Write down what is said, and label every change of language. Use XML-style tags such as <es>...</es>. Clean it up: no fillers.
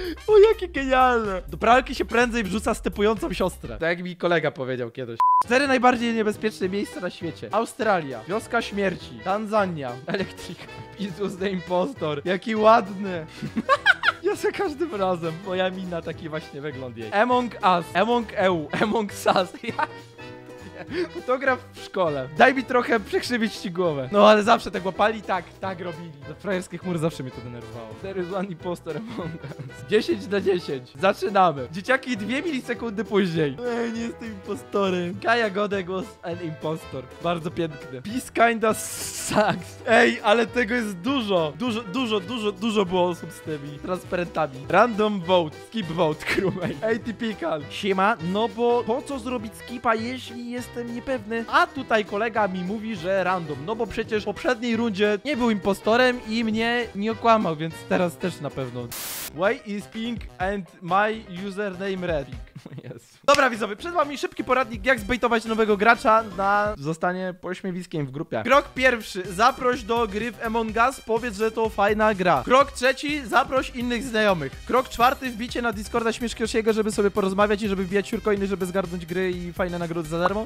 <pl>O, jakie genialne. Do pralki się prędzej wrzuca stepującą siostrę. Tak jak mi kolega powiedział kiedyś. 4 najbardziej niebezpieczne miejsca na świecie. Australia. Wioska śmierci. Tanzania. Elektryka.</pl> <en>Jesus the Impostor.</en> <pl>Jaki ładny. Ja za każdym razem, bo ja mi na taki właśnie wygląd jej.</pl> <en>Among Us, Among EU, Among Sus.</en> <pl>Ja. Fotograf w szkole. Daj mi trochę przekrzywić ci głowę. No ale zawsze tak łapali, tak, tak robili. Do frajerskich chmur zawsze mnie to denerwowało.</pl> <en>There is one imposter Among Us.</en> <pl>10 na 10. Zaczynamy. Dzieciaki 2 milisekundy później. Ej, nie jestem impostorem.</pl> <en>Kaja Godek was an impostor.</en> <pl>Bardzo piękny.</pl> <en>This kinda sucks.</en> <pl>Ej, ale tego jest dużo. Dużo, dużo, dużo, dużo było osób z tymi transparentami.</pl> <en>Random vote. Skip vote,</en> <pl>krumej. Atypical. Siema, no bo po co zrobić skipa, jeśli jest... Jestem niepewny. A tutaj kolega mi mówi, że random. No bo przecież w poprzedniej rundzie nie był impostorem i mnie nie okłamał, więc teraz też na pewno.</pl> <en>Why is pink and my username red?</en> <pl>Pink. Jezu. Dobra widzowie, przed wami szybki poradnik, jak zbejtować nowego gracza na zostanie pośmiewiskiem w grupie. Krok pierwszy, zaproś do gry w Among Us, powiedz, że to fajna gra. Krok trzeci, zaproś innych znajomych. Krok czwarty, wbijcie na Discorda Śmieszkiosiego, żeby sobie porozmawiać i żeby wbijać urkoiny, żeby zgarnąć gry i fajne nagrody za darmo.</pl>